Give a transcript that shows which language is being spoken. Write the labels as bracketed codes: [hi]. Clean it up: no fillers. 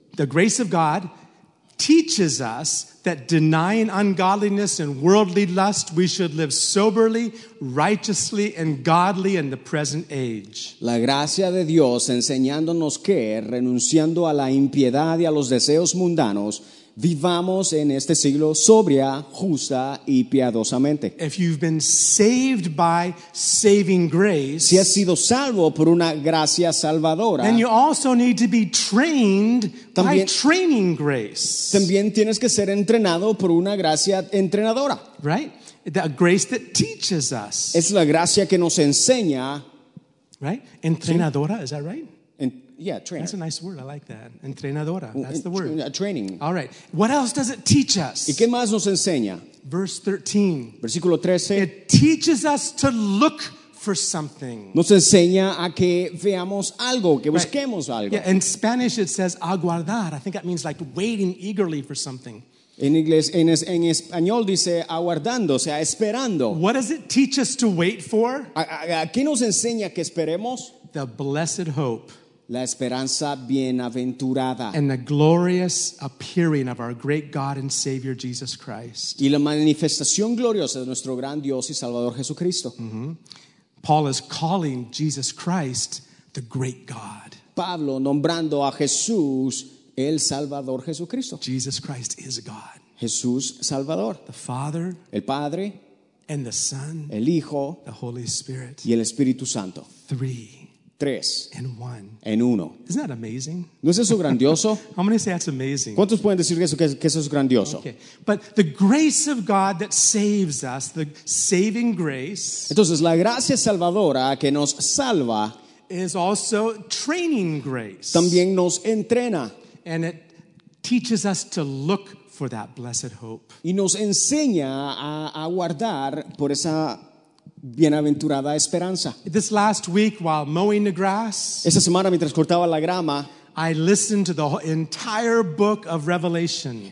[en] The grace of God teaches us that denying ungodliness and worldly lust, we should live soberly, righteously, and godly in the present age. [es] La gracia de Dios enseñándonos que, renunciando a la impiedad y a los deseos mundanos, vivamos en este siglo sobria, justa y piadosamente. [en] If you've been saved by saving grace, [es] si has sido salvo por una gracia salvadora, [en] then you also need to be trained [es] también, [en] by training grace. [es] También tienes que ser entrenado por una gracia entrenadora. [en] Right? The grace that teaches us. [es] Es la gracia que nos enseña. [en] Right? Entrenadora, is that right? Yeah, trainer. That's a nice word. I like that. Entrenadora. That's the word. Training. All right. What else does it teach us? [es] ¿Y qué más nos enseña? [en] Verse 13. [es] Versículo 13. [en] It teaches us to look for something. [es] Nos enseña a que veamos algo, que busquemos algo. [en] Yeah, in Spanish it says aguardar. I think that means like waiting eagerly for something. [es] En inglés, en español dice aguardando, o sea, esperando. [en] What does it teach us to wait for? [es] ¿A qué nos enseña que esperemos? [en] The blessed hope. [es] La esperanza bienaventurada. [en] And the glorious appearing of our great God and Savior Jesus Christ. [es] Y la manifestación gloriosa de nuestro gran Dios y Salvador Jesucristo. Mm-hmm. [en] Paul is calling Jesus Christ the great God. [es] Pablo nombrando a Jesús el Salvador Jesucristo. [en] Jesus Christ is God. [es] Jesús Salvador. [en] The Father. [es] El Padre. [en] And the Son. [es] El Hijo. [en] The Holy Spirit. [es] Y el Espíritu Santo. [en] Three. [es] Tres. [en] And one. [es] En uno. [en] Isn't that amazing? [es] ¿No es eso grandioso? [en] How many say that's amazing? [es] ¿Cuántos pueden decir que eso es grandioso? [en] Okay. But the grace of God that saves us, the saving grace. [es] Entonces, la gracia salvadora que nos salva [en] is also training grace. [es] También nos entrena. [en] And it teaches us to look for that blessed hope. [es] Y nos enseña a guardar por esa bienaventurada esperanza. [en] This last week while mowing the grass, [es] esta semana mientras cortaba la grama, [en] I listened to the entire book of Revelation.